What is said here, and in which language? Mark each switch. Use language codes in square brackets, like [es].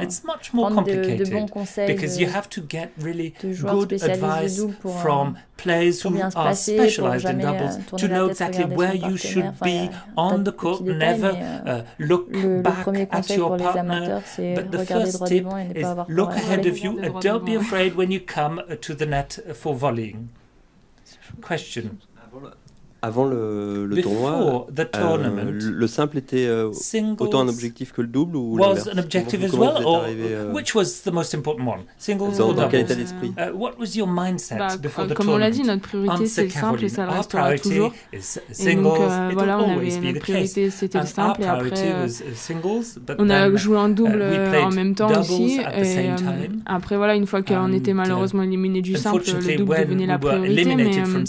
[en] It's much more complicated because you have to get really good advice from players who are specialized in doubles to know exactly where you should be on the court. Never look back at your partner. But the first tip is look ahead of you and don't be afraid when you come to the net for volleying. question. [fr] Avant le tournoi, le simple était autant un objectif que le double ou [en] was an objective as well, or which was the most important one, singles or doubles? What was your mindset before the tournament? [fr] Comme on l'a dit, notre priorité c'est le simple et ça le restera toujours. Et donc voilà, on avait notre priorité c'était le simple et après on a joué en double en même temps aussi. Après voilà, une fois qu'on était malheureusement éliminé du simple, le double devenait la priorité.